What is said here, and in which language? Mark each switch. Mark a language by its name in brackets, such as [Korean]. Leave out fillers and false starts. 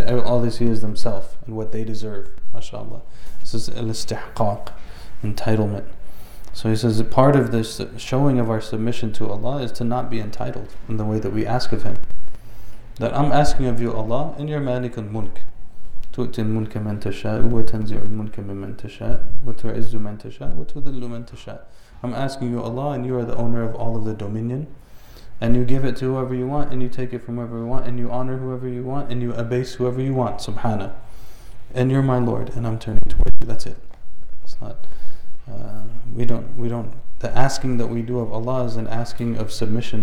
[English] All they see is themselves and what they deserve, mashallah. This is al-istihqaq, entitlement. So he says, a part of this showing of our submission to Allah is to not be entitled in the way that we ask of Him. That I'm asking of you, Allah, and you're malik al-mulk. [Arabic] تؤتي الملك من تشاء وتنزع الملك ممن تشاء وتعز من تشاء وتذل من تشاء. [English] I'm asking you, Allah, and you are the owner of all of the dominion, and you give it to whoever you want, and you take it from whoever you want, and you honor whoever you want, and you abase whoever you want, subhana. And you're my Lord, and I'm turning towards you. That's it. It's not. We don't. The asking that we do of Allah is an asking of submission.